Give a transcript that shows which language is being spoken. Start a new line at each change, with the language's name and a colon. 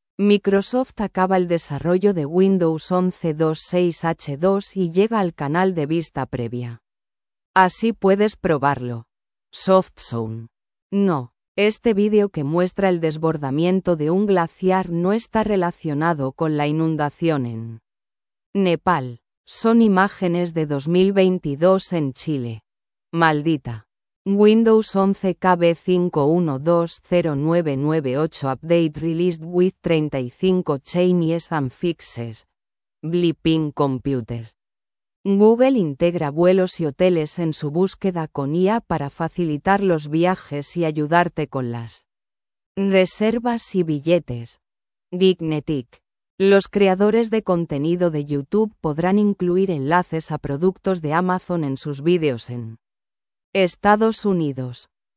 Spanish: Microsoft acaba el desarrollo de Windows 11 2.6H2 y llega al canal de vista previa. Así puedes probarlo. SoftZone. No, este vídeo que muestra el desbordamiento de un glaciar no está relacionado con la inundación en Nepal. Son imágenes de 2022 en Chile. Maldita.
English: Windows 11 KB5120998 Update released with 35 changes and fixes. Bleeping Computer.
Spanish: Google integra vuelos y hoteles en su búsqueda con IA para facilitar los viajes y ayudarte con las reservas y billetes. Dignetic. Los creadores de contenido de YouTube podrán incluir enlaces a productos de Amazon en sus vídeos en Estados Unidos.